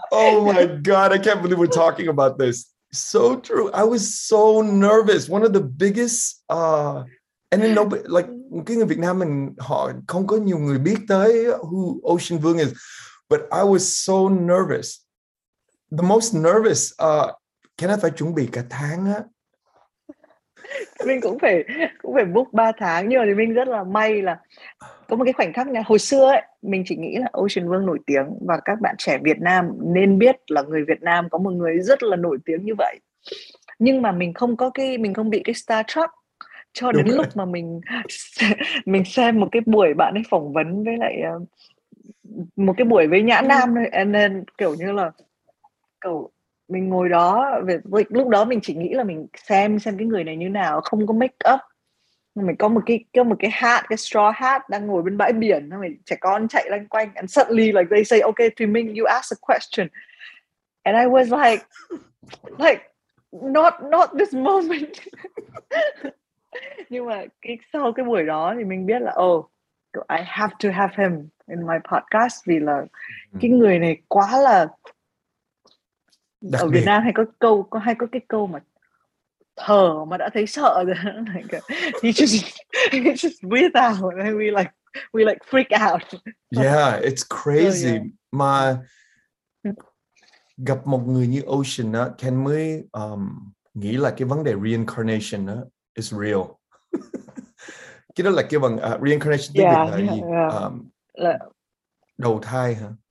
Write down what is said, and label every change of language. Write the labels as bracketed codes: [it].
[en] Oh my god, I can't believe we're talking about this. So true. I was so nervous. One of the biggest and then nobody like [vi] cái người Việt Nam mình họ không có nhiều người biết tới [en] who Ocean Vuong is. But I was so nervous. The most nervous. [vi] Kenneth phải chuẩn bị cả tháng á. Mình cũng phải book 3 tháng. Nhưng mà mình rất là may là có một cái khoảnh khắc ngày hồi xưa ấy, mình chỉ nghĩ là Ocean Vuong nổi tiếng và các bạn trẻ Việt Nam nên biết là người Việt Nam có một người rất là nổi tiếng như vậy. Nhưng mà mình không có cái, mình không bị cái star truck cho đến lúc mà mình xem một cái buổi bạn ấy phỏng vấn với lại một cái buổi với Nhã Nam thôi. And then kiểu như là kiểu mình ngồi đó, lúc đó mình chỉ nghĩ là mình xem cái người này như nào, không có make up. Mình có một cái hat, cái straw hat, đang ngồi bên bãi biển, mình trẻ con chạy lanh quanh. [en] And suddenly like they say, okay, Thuy Minh, you ask a question. And I was like not this moment. [vi] Nhưng mà sau cái buổi đó thì mình biết là [en] I have to have him in my podcast [vi] vì là cái người này quá là đặc ở biệt. Việt Nam hay có cái câu mà thở mà đã thấy sợ rồi. [en] Like, he just breathe out and we like freak out. Yeah, it's crazy. Yeah. [vi] Mà gặp một người như Ocean á, Ken mới nghĩ là cái vấn đề reincarnation á is real. Cái đó là kêu bằng reincarnation tiếng Việt là gì? Đầu thai hả?